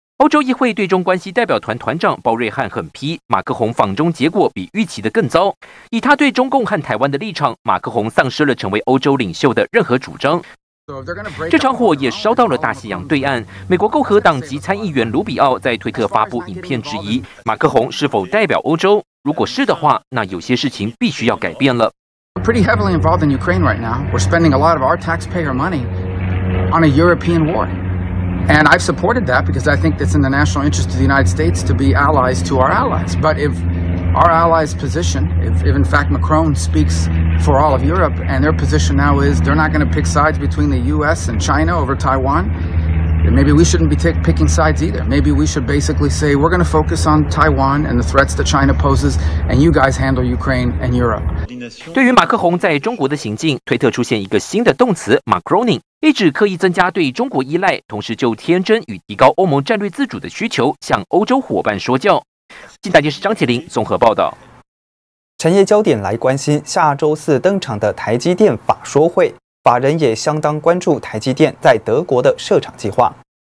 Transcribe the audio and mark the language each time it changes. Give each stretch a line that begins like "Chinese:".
Chinese: 欧洲议会对中关系代表团团长包瑞汉狠批马克宏访中结果比预期的更糟，以他对中共和台湾的立场，马克宏丧失了成为欧洲领袖的任何主张。这场火也烧到了大西洋对岸，美国共和党籍参议员卢比奥在推特发布影片质疑马克宏是否代表欧洲，如果是的话，那有些事情必须要改变了。
English: We're pretty heavily involved in Ukraine right now. We're spending a lot of our taxpayer money on a European war. And I've supported that because I think it's in the national interest of the United States to be allies to our allies. But if our allies' position, if in fact Macron speaks for all of Europe, and their position now is they're not going to pick sides between the US and China over Taiwan, then maybe we shouldn't be picking sides either. Maybe we should basically say we're going to focus on Taiwan and the threats that China poses, and you guys handle Ukraine and Europe.
Chinese: 对于马克宏在中国的行径，推特出现一个新的动词 Macroning， 一指刻意增加对中国依赖，同时就天真与提高欧盟战略自主的需求向欧洲伙伴说教。近代电视张启林综合报道。产业焦点来关心下周四登场的台积电法说会，法人也相当关注台积电在德国的设厂计划。